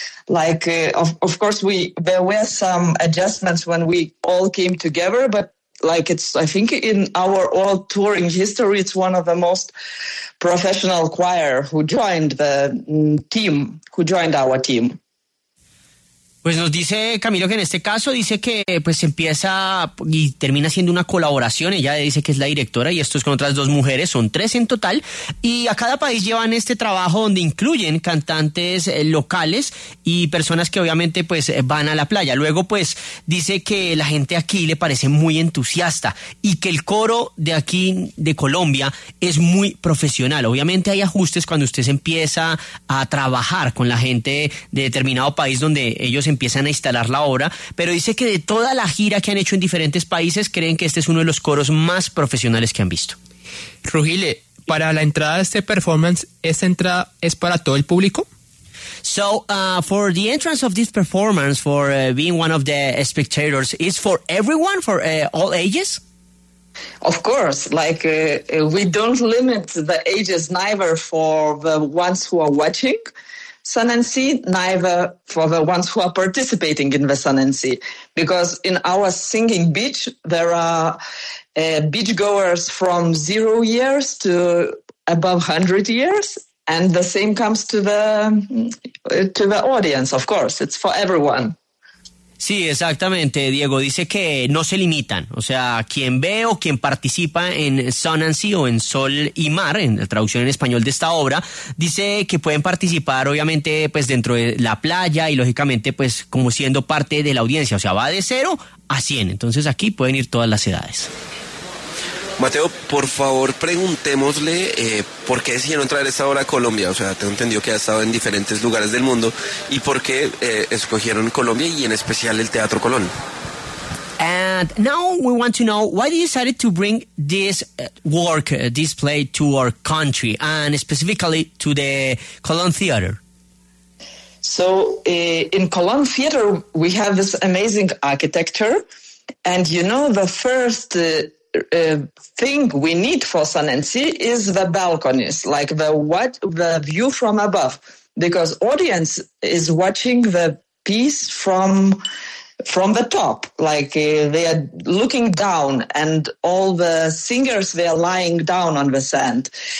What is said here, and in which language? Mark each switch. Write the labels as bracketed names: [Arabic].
[English] Like, of course, there were some adjustments when we all came together, but like it's, I think in our all touring history, it's one of the most professional choir who joined our team. [Spanish] Pues nos dice Camilo que en este caso dice que pues empieza y termina siendo una colaboración. Ella dice que es la directora y esto es con otras dos mujeres, son tres en total. Y a cada país llevan este trabajo donde incluyen cantantes locales y personas que obviamente pues van a la playa. Luego pues dice que la gente aquí le parece muy entusiasta y que el coro de aquí de Colombia es muy profesional. Obviamente hay ajustes cuando usted se empieza a trabajar con la gente de determinado país donde ellos empiezan a instalar la obra, pero dice que de toda la gira que han hecho en diferentes países, creen que este es uno de los coros más profesionales que han visto. Rugile, para la entrada de este performance, ¿esta entrada es para todo el público? [English] So, for the entrance of this performance, for being one of the spectators, is for everyone, for all ages? Of course, like we don't limit the ages neither for the ones who are watching Sun and Sea, neither for the ones who are participating in the Sun and Sea. Because in our singing beach, there are beachgoers from 0 years to above 100 years. And the same comes to the audience, of course. It's for everyone. [Spanish] Sí, exactamente. Diego dice que no se limitan. O sea, quien ve o quien participa en Sun and Sea o en Sol y Mar, en la traducción en español de esta obra, dice que pueden participar, obviamente, pues dentro de la playa y, lógicamente, pues como siendo parte de la audiencia. O sea, va de 0 a 100. Entonces, aquí pueden ir todas las edades. Mateo, por favor, preguntémosle por qué decidieron traer esta obra a Colombia. O sea, tengo entendido que ha estado en diferentes lugares del mundo y por qué escogieron Colombia y en especial el Teatro Colón. [English] And now we want to know why you decided to bring this work, this play to our country and specifically to the Colón Theater. So, in Colón Theater, we have this amazing architecture and you know the first thing we need for Sun and Sea is the balconies, like the view from above, because audience is watching the piece from the top, like they are looking down and all the singers, they are lying down on the sand.